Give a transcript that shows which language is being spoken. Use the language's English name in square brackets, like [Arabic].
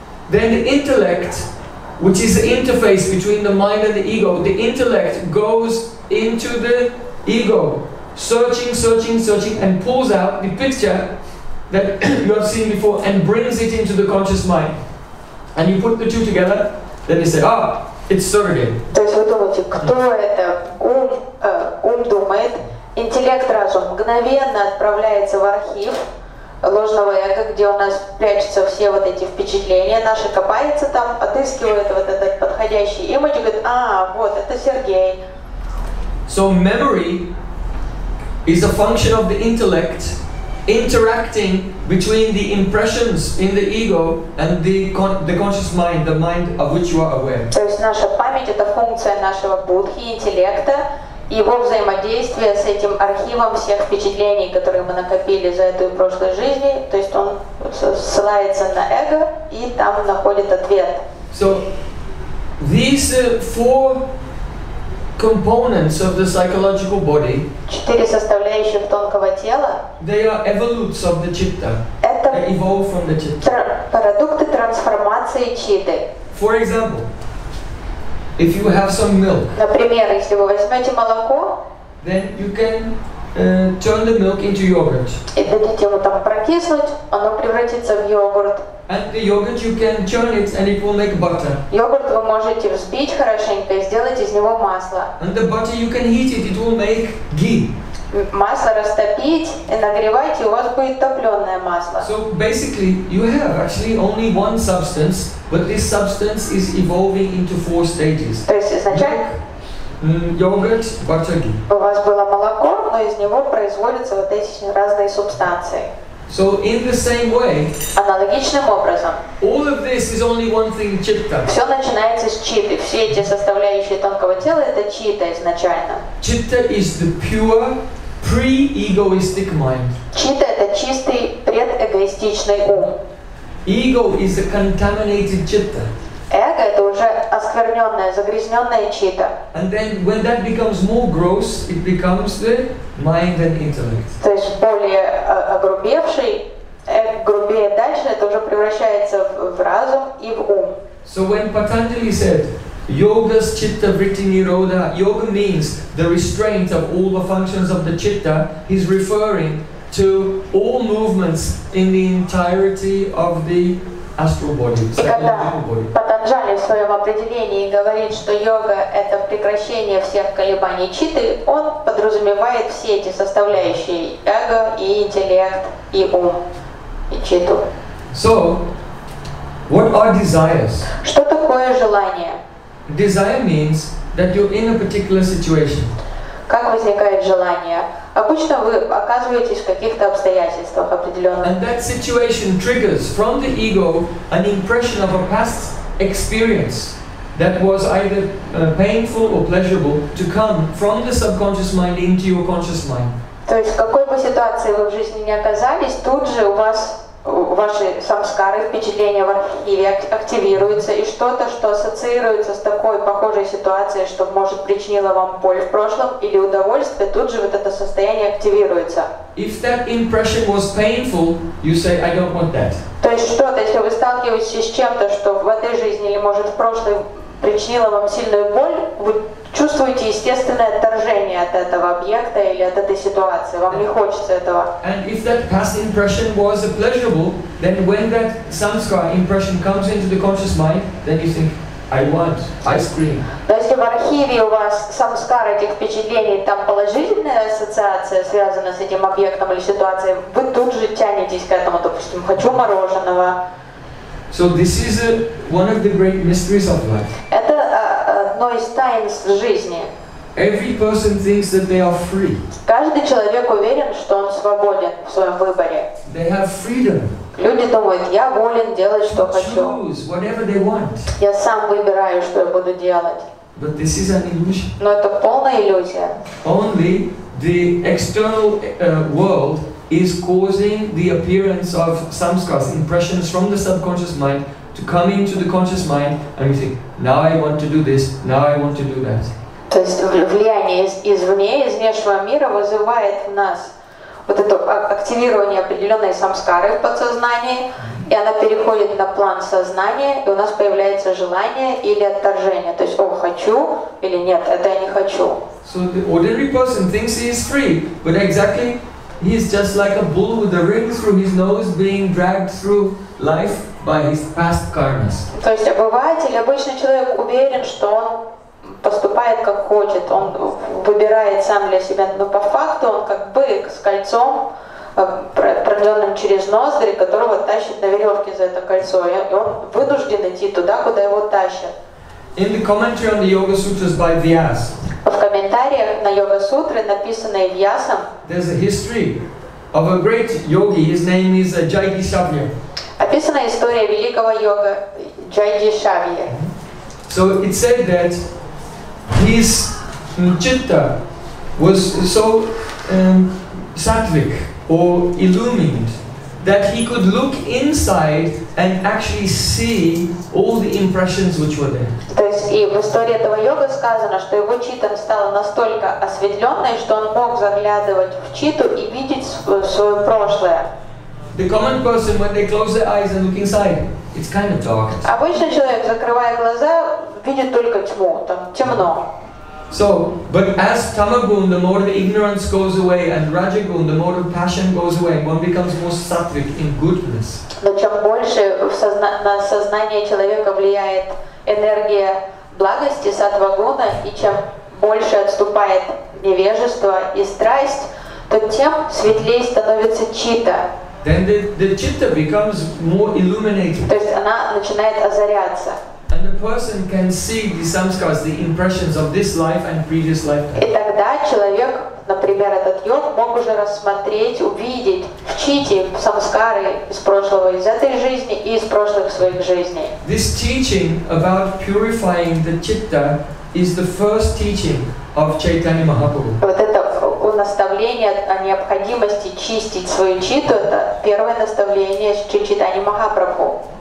[English] Then the intellect, which is the interface between the mind and the ego, the intellect goes into the ego, searching, and pulls out the picture that you have seen before and brings it into the conscious mind. And you put the two together, then you say, ah, it's Sergey. [Russian] То есть вы думаете, кто это? Ум думает. Интеллект, разум мгновенно отправляется в архив ложного эго, где у нас прячутся все вот эти впечатления наши, копается там, отыскивает вот этот подходящий имидж, говорит, а, вот, это Сергей. [English] So memory is a function of the intellect interacting between the impressions in the ego and the conscious mind, the mind of which you are aware. [Russian] То есть наша память — это функция нашего будхи, интеллекта, его взаимодействие с этим архивом всех впечатлений, которые мы накопили за эту прошлую жизнь, то есть он ссылается на эго и там находит ответ. [English] So these four components of the psychological body. [Russian] Четыре составляющих тонкого тела. [English] They are evolutes of the chitta. [Russian] Это [English] evolve from the chitta. [Russian] Продукты трансформации читы. [English] For example. If you have some milk, [Russian] например, если вы возьмете молоко, [English] then you can turn the milk into yogurt. [Russian] И дадите его там прокиснуть, оно превратится в йогурт. [English] And the yogurt you can churn it and it will make butter. [Russian] Йогурт вы можете взбить хорошенько и сделать из него масло. [English] And the butter you can heat it will make ghee. [Russian] Масло растопить и нагревать, и у вас будет топленое масло. [English] So basically, you have actually only one substance, but this substance is evolving into four stages. [Russian] То есть изначально [English] йогурт, butter, ghee. [Russian] У вас было молоко, но из него производятся вот эти разные субстанции. [English] So in the same way, [Russian] аналогичным образом, [English] all of this is only one thing, citta. [Russian] Все начинается с читы. Все эти составляющие тонкого тела это чита изначально. [English] Citta is the pure pre-egoistic mind. [Russian] Чита это чистый предэгоистичный ум. [English] Ego is a contaminated citta. [Russian] Эго это уже оскверненная, загрязненная чита. [English] And then when that becomes more gross, it becomes the mind and intellect. [Russian] То есть более огрубевший, грубее дальше, это уже превращается в разум и в ум. [English] So when Patanjali said, Yoga's Chitta Vritti Niroda, yoga means the restraint of all the functions of the chitta, he's referring to all movements in the entirety of the astral body, psychological body. [Russian] Патанджали в своем определении говорит, что йога – это прекращение всех колебаний читы, он подразумевает все эти составляющие – эго, и интеллект, и ум, и читу. [English] So, what are desires? [Russian] Что такое желание? [English] Desire means that you're in a particular situation. [Russian] Как возникает желание? Обычно вы оказываетесь в каких-то обстоятельствах определенных. [English] And that situation triggers from the ego an impression of a past experience that was either painful or pleasurable to come from the subconscious mind into your conscious mind. [Russian] То есть в какой бы ситуации вы в жизни не оказались, тут же у вас ваши самскары, впечатления в архиве активируются, и что-то, что ассоциируется с такой похожей ситуацией, что, может, причинило вам боль в прошлом или удовольствие, тут же вот это состояние активируется. [English] If that impression was painful, you say, I don't want that. [Russian] То есть что-то, если вы сталкиваетесь с чем-то, что в этой жизни или, может, в прошлом причинило вам сильную боль, вы чувствуете естественное отторжение от этого объекта или от этой ситуации. Вам не хочется этого. [English] And if that past impression was a pleasurable, then when that samskara impression comes into the conscious mind, then you think, I want ice cream. [Russian] Но если в архиве у вас самскар этих впечатлений, там положительная ассоциация связана с этим объектом или ситуацией, вы тут же тянетесь к этому, допустим, хочу мороженого. [English] So this is one of the great mysteries of life. [Russian] Это одно из тайн жизни. [English] Every person thinks that they are free. [Russian] Каждый человек уверен, что он свободен в своем выборе. [English] They have freedom. [Russian] Люди думают, я волен делать, что хочу. [English] To choose whatever they want. [Russian] Я сам выбираю, что я буду делать. [English] But this is an illusion. [Russian] Но это полная иллюзия. [English] Only the external world is causing the appearance of samskaras, impressions from the subconscious mind to come into the conscious mind, and we think, now I want to do this, now I want to do that. [Russian] То есть влияние извне, из внешнего мира вызывает в нас вот это активирование определенной самскары в подсознании, и она переходит на план сознания, и у нас появляется желание или отторжение. То есть, о, хочу, или нет, это я не хочу. [English] So the ordinary person thinks he is free, but exactly he is just like a bull with a ring through his nose being dragged through life by his past karmas. [Russian] То есть обыватель, обычный человек уверен, что он поступает как хочет, он выбирает сам для себя, но по факту он как бы с кольцом, продленным через ноздри, которого тащит на веревке за это кольцо, и он вынужден идти туда, куда его тащат. [English] In the commentary on the Yoga Sutras by Vyas, [Russian] в комментариях на Йога Сутры, написанные Вьясом, [English] there's a history of a great yogi. His name is Jaigishavya. [Russian] Описана история великого йога Jaigishavya. [English] So it said that his chitta was so sattvic or illumined that he could look inside and actually see all the impressions which were there. [Russian] То есть и в истории этого йога сказано, что его чита стала настолько осветленной, что он мог заглядывать в читу и видеть свое прошлое. [English] The common person, when they close their eyes and look inside, it's kind of dark. [Russian] Обычный человек, закрывая глаза, видит только тьму, там темно. [English] So, but as tamagun, the more the ignorance goes away, and rajagun, the more the passion goes away, one becomes more sattvic in goodness. [Russian] Но чем больше на сознание человека влияет энергия благости, сатвагуна, и чем больше отступает невежество и страсть, то тем светлее становится чита. [English] Then the chitta becomes more illuminated. [Russian] То есть она начинает озаряться. [English] And the person can see the samskaras, the impressions of this life and previous life. [Russian] И так тогда человек, например, этот йог, мог уже рассмотреть, увидеть, чити, самскары из прошлого, из этой жизни и из прошлых своих жизней. [English] This teaching about purifying the citta is the first teaching of Chaitanya Mahaprabhu. [Russian] Вот это наставление о необходимости чистить свою читу, это первое наставление Чайтани Махапрабху.